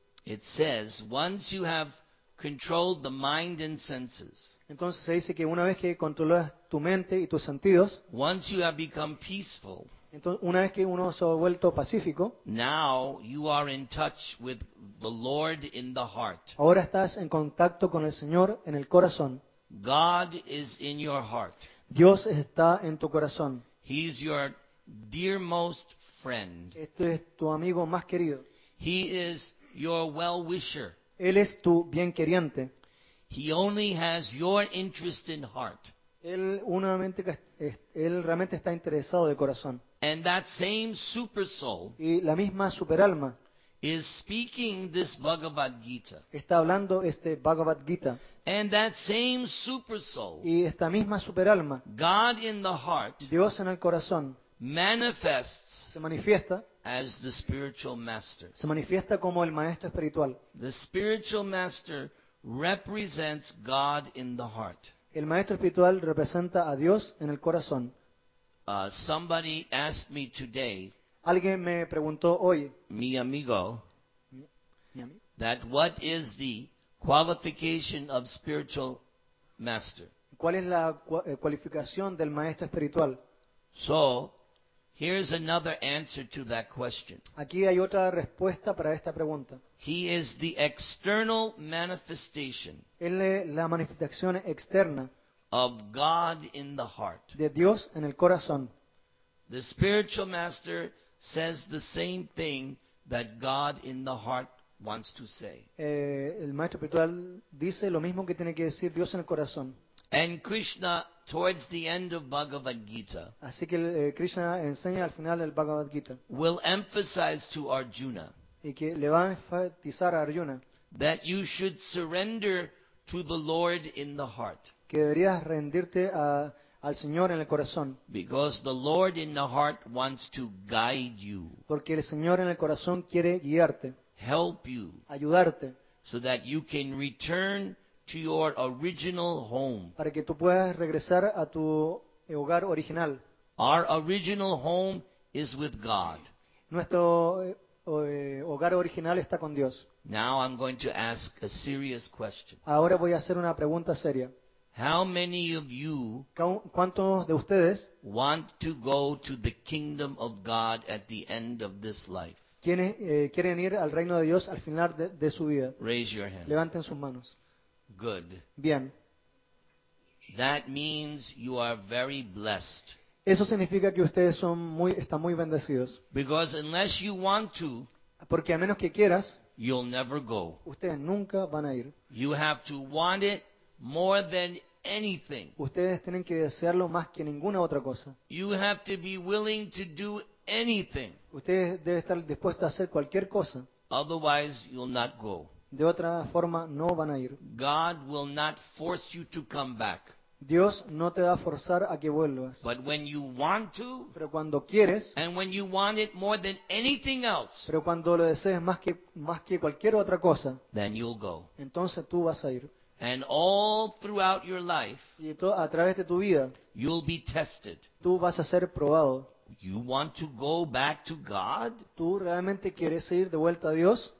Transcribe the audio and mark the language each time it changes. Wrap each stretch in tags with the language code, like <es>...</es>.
<en>it says, once you have controlled the mind and senses.</en> <es>Entonces se dice que una vez que controlas tu mente y tus sentidos.</es> <en>Once you have become peaceful.</en> <es>Entonces una vez que uno se ha vuelto pacífico.</es> <en>Now you are in touch with the Lord in the heart.</en> <es>Ahora estás en contacto con el Señor en el corazón.</es> <en>God is in your heart.</en> <es>Dios está en tu corazón.</es> <en>He is your dearmost friend.</en> <es>Este es tu amigo más querido.</es> <en>He is your well-wisher.</en> <es>Él es tu bien queriente.</es> <en>He only has your interest in heart.</en> <es>Él realmente está interesado de corazón.</es> <en>And that same super soul,</en> <es>y la misma superalma,</es> <en>is speaking this Bhagavad Gita.</en> <es>Está hablando este Bhagavad Gita.</es> <en>And that same super soul,</en> <es>y esta misma superalma,</es> <en>God in the heart,</en> <es>Dios en el corazón,</es> <en>manifests,</en> <es>se manifiesta,</es> <en>as the spiritual master.</en> <es>Se manifiesta como el maestro espiritual.</es> <en>The spiritual master represents God in the heart.</en> <es>El maestro espiritual representa a Dios en el corazón.</es> <en>Somebody asked me today,</en> <es>alguien me preguntó hoy, mi amigo,</es> <en>that what is the qualification of spiritual master?</en> <es>¿Cuál es la cualificación del maestro espiritual?</es> <en>So, here's another answer to that question.</en> <es>Aquí hay otra respuesta para esta pregunta.</es> <en>He is the external manifestation.</en> <es>Él es la manifestación externa.</es> <en>Of God in the heart.</en> <es>De Dios en el corazón.</es> <en>The spiritual master says the same thing that God in the heart wants to say.</en> <es>El maestro espiritual dice lo mismo que tiene que decir Dios en el corazón.</es> <en>And Krishna, towards the end of Bhagavad Gita,</en> <es>así que Krishna enseña al final del Bhagavad Gita,</es> <en>will emphasize to Arjuna,</en> <es>y que le va a enfatizar a Arjuna,</es> <en>that you should surrender to the Lord in the heart.</en> <es>Que deberías rendirte a, al Señor en el corazón.</es> <en>Because the Lord in the heart wants to guide you.</en> <es>Porque el Señor en el corazón quiere guiarte.</es> <en>Help you.</en> <es>Ayudarte.</es> <en>So that you can return to your original home.</en> <es>Para que tú puedas regresar a tu hogar original.</es> <en>Our original home is with God.</en> <es>Nuestro hogar original está con Dios.</es> <en>Now I'm going to ask a serious question.</en> <es>Ahora voy a hacer una pregunta seria.</es> <en>How many of you</en> <es>¿cuántos de ustedes</es> <en>want to go to the kingdom of God at the end of this life?</en> <es>¿Quiénes quieren ir al reino de Dios al final de su vida?</es> <en>Raise your hand.</en> <es>Levanten sus manos.</es> <en>Good.</en> <es>Bien.</es> <en>That means you are very blessed.</en> <es>Eso significa que ustedes están muy bendecidos.</es> <en>Because unless you want to,</en> <es>porque a menos que quieras,</es> <en>you'll never go.</en> <es>Ustedes nunca van a ir.</es> <en>You have to want it more than anything.</en> <es>Ustedes tienen que desearlo más que ninguna otra cosa.</es> <en>You have to be willing to do anything.</en> <es>Ustedes deben estar dispuestos a hacer cualquier cosa.</es> <en>Otherwise, you'll not go.</en> <es>De otra forma, no van a ir.</es> <en>God will not force you to come back.</en> <es>Dios no te va a forzar a que vuelvas.</es> <en>But when you want to,</en> <es>pero cuando quieres,</es> <en>and when you want it more than anything else,</en> <es>pero cuando lo desees más que cualquier otra cosa,</es> <en>then you'll go.</en> <es>Entonces tú vas a ir.</es> <en>And all throughout your life,</en> <es>a través de tu vida,</es> <en>you'll be tested.</en> <es>Tú vas a ser probado.</es> <en>You want to go back to God?</en> <es>¿Tú realmente quieres ir de vuelta a Dios?</es>